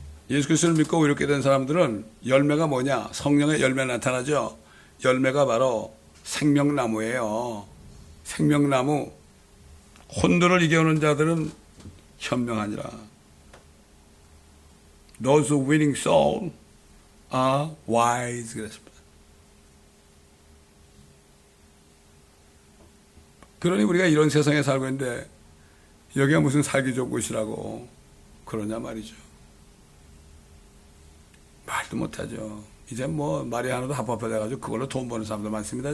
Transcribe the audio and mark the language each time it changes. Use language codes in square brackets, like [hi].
[ko] 예수 그리스도를 믿고 이렇게 된 사람들은 열매가 뭐냐? 성령의 열매 나타나죠. 열매가 바로 생명나무예요. 생명나무. 혼돈을 이겨오는 자들은 현명하니라. [en] Those who winning soul are wise. [ko] 그랬습니다. 그러니 우리가 이런 세상에 살고 있는데 여기가 무슨 살기 좋은 곳이라고 그러냐 말이죠. 말도 못하죠. 이제 뭐 말이 하나도 합법화돼가지고 그걸로 돈 버는 사람도 많습니다.